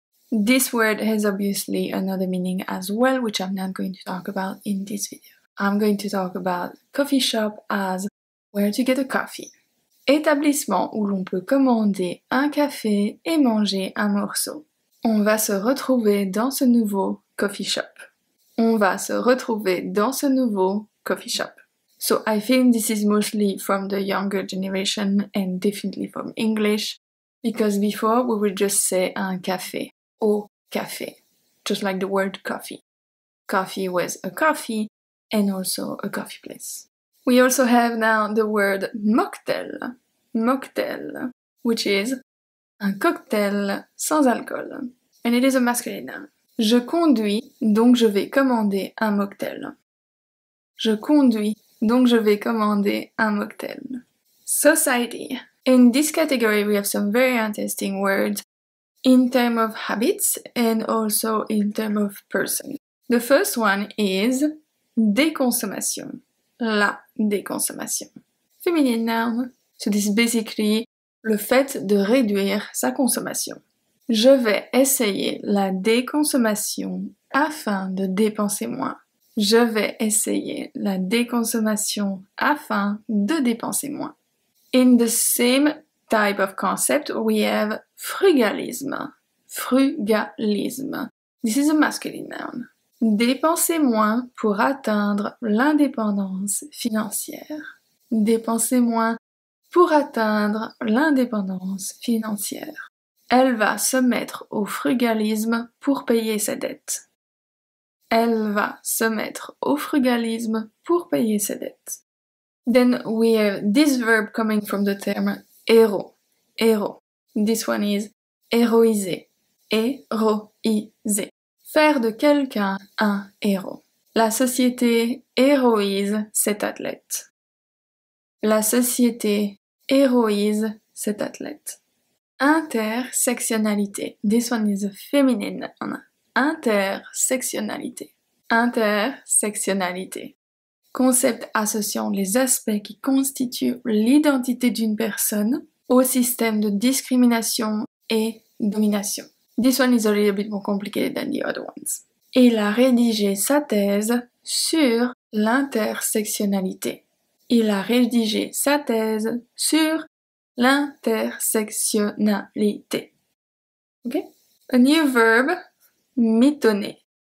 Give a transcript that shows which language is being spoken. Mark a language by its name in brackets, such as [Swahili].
[English] This word has obviously another meaning as well, which I'm not going to talk about in this video. I'm going to talk about coffee shop as where to get a coffee. [French] Établissement où l'on peut commander un café et manger un morceau. On va se retrouver dans ce nouveau coffee shop. On va se retrouver dans ce nouveau coffee shop. [English] So I think this is mostly from the younger generation and definitely from English, because before we would just say un café. [French] Au café, [English] just like the word coffee. Coffee was a coffee and also a coffee place. We also have now the word mocktail. Mocktail, which is [French] un cocktail sans alcool. [English] And it is a masculine noun. [French] Je conduis, donc je vais commander un mocktail. Je conduis, donc je vais commander un mocktail. [English] Society. In this category, we have some very interesting words. In terms of habits and also in terms of person. The first one is déconsommation. [French] La déconsommation. [English] Feminine noun. So this is basically [French] le fait de réduire sa consommation. Je vais essayer la déconsommation afin de dépenser moins. Je vais essayer la déconsommation afin de dépenser moins. [English] In the same type of concept, we have frugalisme. Frugalisme. This is a masculine noun. [French] Dépenser moins pour atteindre l'indépendance financière. Dépenser moins pour atteindre l'indépendance financière. Elle va se mettre au frugalisme pour payer sa dette. Elle va se mettre au frugalisme pour payer sa dette. [English] Then we have this verb coming from the term héros. Héros. This one is héroïser. Héroïser. [French] Faire de quelqu'un un héros. La société héroïse cet athlète. La société héroïse cet athlète. [English] Intersectionnalité. This one is feminine. [French] Intersectionnalité. Intersectionnalité. Concept associant les aspects qui constituent l'identité d'une personne au système de discrimination et domination. [English] This one is a little bit more complicated than the other ones. [French] Il a rédigé sa thèse sur l'intersectionnalité. Il a rédigé sa thèse sur l'intersectionnalité. [English] Ok? A new verb, mitonner.